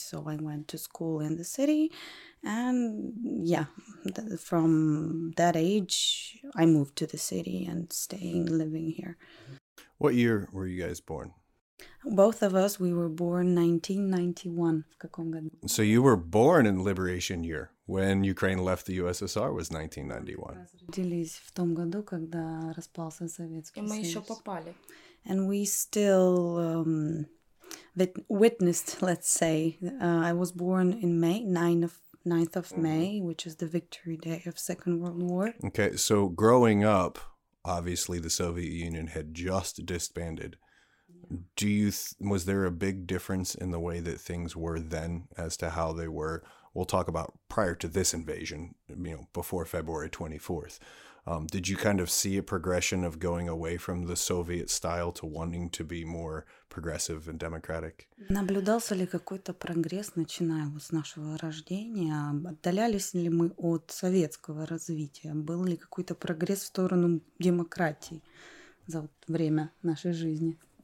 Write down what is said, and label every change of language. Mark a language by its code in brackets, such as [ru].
[en] So I went to school in the city, and from that age, I moved to the city and staying living here. What year were you guys born? Both of us, we were born 1991. [ru] В каком году? [en] So you were born in liberation year when Ukraine left the USSR was 1991. [ru] Родились в том году, когда распался Советский Союз. И мы еще попали. [en] And we still witnessed, let's say, I was born in May, 9th of May, which is the victory day of Second World War. Okay, so growing up, obviously the Soviet Union had just disbanded. Do you was there a big difference in the way that things were then as to how they were? We'll talk about prior to this invasion, you know, before February 24th. Did you kind of see a progression of going away from the Soviet style to wanting to be more progressive and democratic? [ru] Наблюдался ли какой-то прогресс, начиная вот с нашего рождения? Отдалялись ли мы от советского развития? Был ли какой-то прогресс в сторону демократии за время нашей жизни?